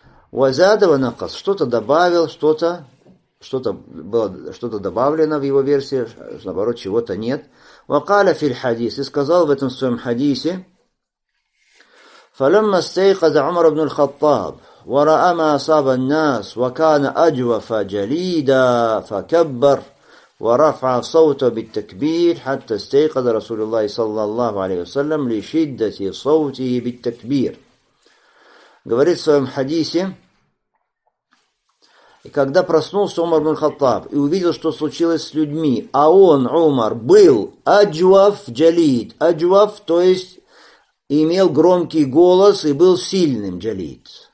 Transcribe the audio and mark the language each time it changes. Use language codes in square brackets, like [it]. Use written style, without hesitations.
[ru] Уазадова накас что-то добавил, что-то было добавлено в его версии, наоборот, чего-то нет. [ar] Вакаля филь хадис [ru] и сказал в этом своем хадисе, [ar] фалямма стейказа [ru] Умар ибн аль-Хаттаб. [ar] ورأى ما أصاب الناس وكان أجوف جليدا فكبر ورفع صوته بالتكبير حتى استيقظ رسول الله صلى الله عليه وسلم لشدة صوته بالتكبير. [ru] Говорит в своем хадисе, и когда проснулся Умар ибн Хаттаб и увидел, что случилось с людьми, а он, Умар, был аджуаф джалид, аджуаф, то есть имел громкий голос и был сильным джалид.